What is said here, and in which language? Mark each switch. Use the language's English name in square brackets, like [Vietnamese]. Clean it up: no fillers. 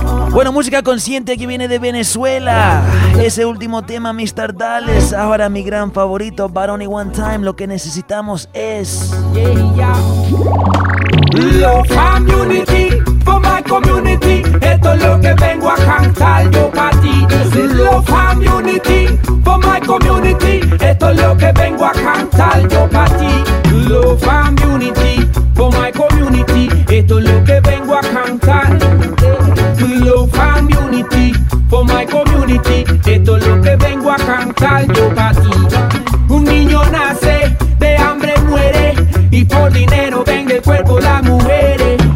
[Spanish] Bueno, música consciente que viene de Venezuela. Ese último tema, Mr. Dales. Ahora mi gran favorito, But Only One Time. Lo que necesitamos es [English] Love community for my community. [Spanish] Esto es lo que vengo a cantar yo para ti. [English] This is love and unity for my community. [Spanish] Esto es lo que vengo a cantar yo para ti. [English] Love and unity for my community. [Spanish] Esto es lo que vengo a cantar. [English] Love and unity for my community. [Spanish] Esto es lo que vengo a cantar yo para ti. Un niño nace, de hambre muere, y por dinero vende el cuerpo las mujeres.